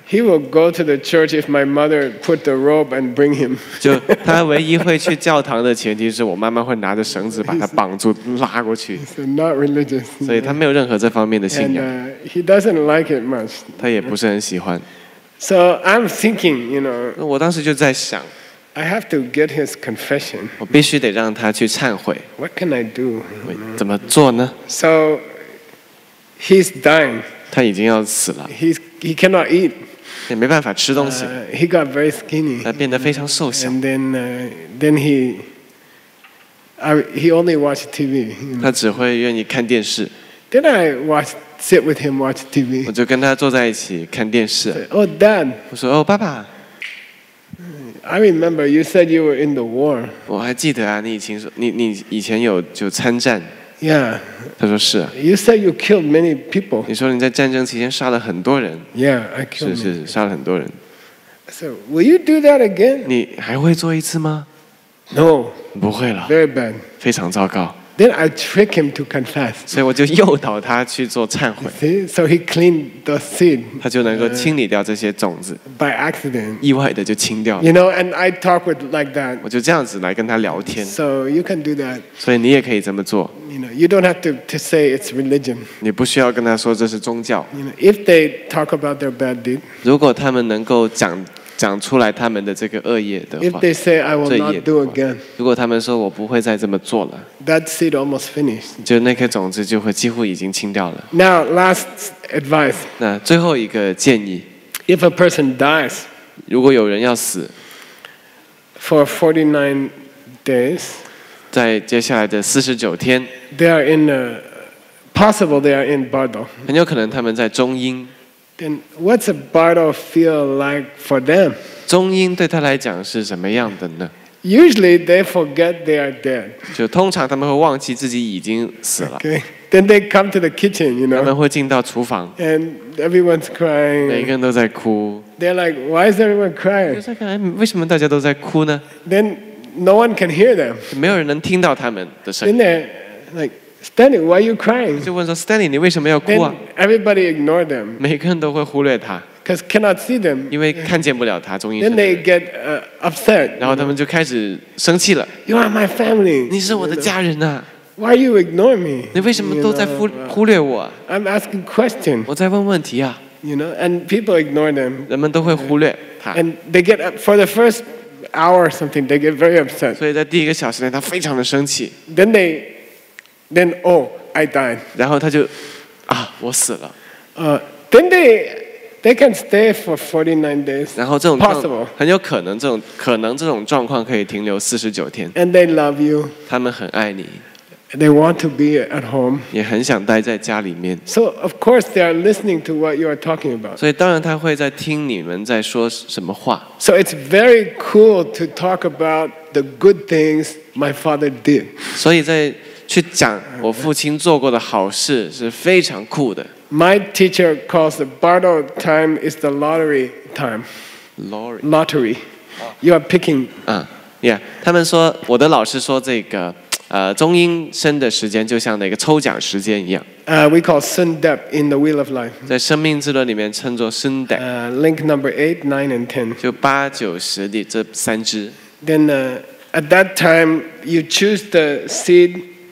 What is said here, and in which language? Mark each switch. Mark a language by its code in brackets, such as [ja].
[en] He will go to the church if my mother put the rope and bring him. [zh] 就他唯一会去教堂的前提是我妈妈会拿着绳子把他绑住拉过去。 [en] He's not religious. [zh] 所以他没有任何这方面的信仰。 [en] And he doesn't like it much. [zh] 他也不是很喜欢。 [en] So I'm thinking, you know. [zh] 我当时就在想。 [en] I have to get his confession. [zh] 我必须得让他去忏悔。 [en] What can I do? [zh] 怎么做呢 [en] ？So he's dying. [zh] 他已经要死了。 [en] He cannot eat. [zh] 也没办法吃东西。 [en] He got very skinny. [zh] 他变得非常瘦小。 [en] And then he only watched TV. [zh] 他只会愿意看电视。 [en] Then I sit with him watch TV. [zh] 我就跟他坐在一起看电视。 [en] Oh, Dad. [zh] 我说哦，爸爸。 [en] I remember you said you were in the war. [zh] 我还记得啊，你以前有就参战。 [en] Yeah. [zh] 他说是、啊。 [en] You said you killed many people. [zh] 你说你在战争期间杀了很多人。 [en] Yeah, I killed. [zh] 是是是，杀了很多人。 [en] So will you do that again? [zh] 你还会做一次吗 [en] ？No. [zh] 不会了。 [en] Very bad. [zh] 非常糟糕。 [en] Then I trick him to confess. [zh] 所以我就诱导他去做忏悔。 [en] See? So he cleaned the seed. [zh] 他就能够清理掉这些种子。 [en] By accident. [zh] 意外的就清掉了。 [en] You know, and I talk with like that. [zh] 我就这样子来跟他聊天。 [en] So you can do that. [zh] 所以你也可以这么做。 [en] You know, you don't have to say it's religion. [zh] 你不需要跟他说这是宗教。 [en] You know, if they talk about their bad deed. [zh] 如果他们能够讲。讲出来他们的这个恶业的话, [en] if they say I will not do again, [zh] 如果他们说我不会再这么做了, [en] that seed almost finished. [zh] 就那颗种子就会几乎已经清掉了。 [en] Now, last advice. [zh] 那最后一个建议, [en] if a person dies, [zh] 如果有人要死, [en] for 49 days, [zh] 在接下来的49天, [en] they are in a, possible they are in Bardo. [zh] 很有可能他们在中阴。 [en] Then what's a bardo feel like for them? [zh] 中阴对他来讲是什么样的呢? [en] Usually they forget they are dead. [zh] 就通常他们会忘记自己已经死了。 [en] Okay. Then they come to the kitchen, you know. [zh] 他们会进到厨房。 [en] And everyone's crying. [zh] 每个人都在哭。 [en] They're like, why is everyone crying? [zh] 为什么大家都在哭呢? [en] Then no one can hear them. [zh] 没有人能听到他们的声音。 [en] Then they're like, Stanley, why are you crying? [zh] 就问说, Stanley, 你为什么要哭啊? [en] Then everybody ignore them. [zh] 每个人都会忽略他, [en] because cannot see them. [zh] 因为看见不了他, 中医生的人。 [en] Then they get upset. [zh] 然后他们就开始生气了。 [en] You are my family. [zh] 你是我的家人啊。 [en] Why are you ignoring me? [zh] 你为什么都在忽略我? [en] I'm asking questions. [zh] 我在问问题啊。 [en] You know, and people ignore them. [zh] 人们都会忽略他。 [en] And they get up for the first hour or something, they get very upset. [zh] 所以在第一个小时内, 他非常的生气。 [en] Then they Then, oh, I died. [zh] 然后他就, 啊, 我死了。 [en] Then they can stay for 49 days. [zh] 然后这种, [en] possible. [zh] 很有可能, 这种, 可能这种状况可以停留49天。 [en] And they love you. [zh] 他们很爱你。 [en] They want to be at home. [zh] 也很想待在家里面。 [en] So, of course, they are listening to what you are talking about. [zh] 所以当然他会在听你们在说什么话。 [en] So it's very cool to talk about the good things my father did. [zh] 所以在 去讲我父亲做过的好事是非常酷的。 [en] My teacher calls the bardo time is the lottery time. Lottery. Lottery. You are picking. Yeah. [zh] 他们说我的老师说这个，中阴身的时间就像那个抽奖时间一样。 [en] We call sun depth in the wheel of life. [zh] 在生命之轮里面称作 sun depth. [en] Link number 8, 9, and 10. [zh] 就八九十的这三支。 [en] Then at that time you choose the seed.